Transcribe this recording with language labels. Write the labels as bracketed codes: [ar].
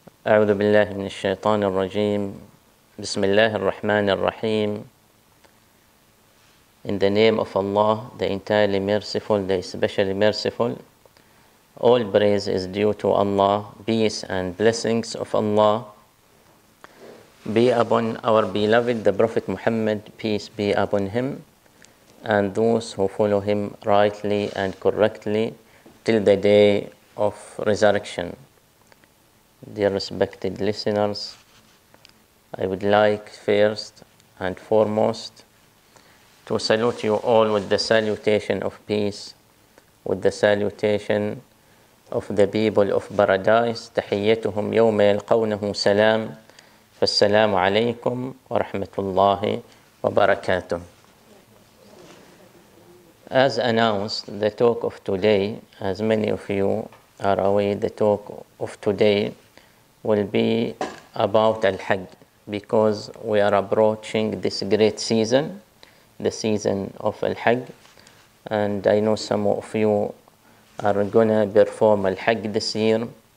[ar] أعوذ بالله من الشيطان الرجيم. بسم الله الرحمن الرحيم. [en] In the name of Allah, the entirely merciful, the especially merciful. All praise is due to Allah. Peace and blessings of Allah be upon our beloved, the Prophet Muhammad, peace be upon him, and those who follow him rightly and correctly till the day of resurrection. Dear respected listeners, I would like first and foremost to salute you all with the salutation of peace, with the salutation of the people of paradise. [ar] تحيتهم يوم يلقونه سلام فالسلام عليكم ورحمة الله وبركاته. [en] As announced, the talk of today, as many of you are aware, the talk of today will be about Al-Hajj, because we are approaching this great season, the season of Al-Hajj, and I know some of you are going to perform Al-Hajj this year,